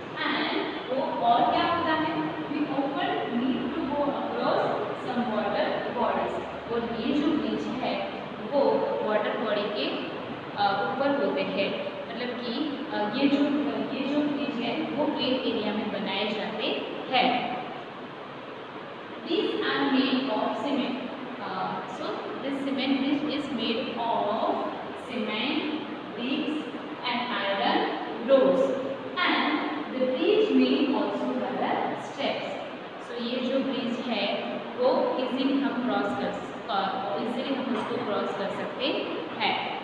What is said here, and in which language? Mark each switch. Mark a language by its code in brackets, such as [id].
[en] And [hi] वो और क्या होता है? [en] We often need to go across some water bodies. [hi] और ये जो bridge है वो water body के ऊपर होते हैं. मतलब कि ये जो bridge है वो plain area में बनाए जाते है. [en] These are made of cement. So this cement bridge is made of cement bricks and iron rows. And the bridge may also have steps. [hi] So ये जो ब्रिज है वो इजीली हम क्रॉस कर इजीली हम उसको क्रॉस कर सकते हैं.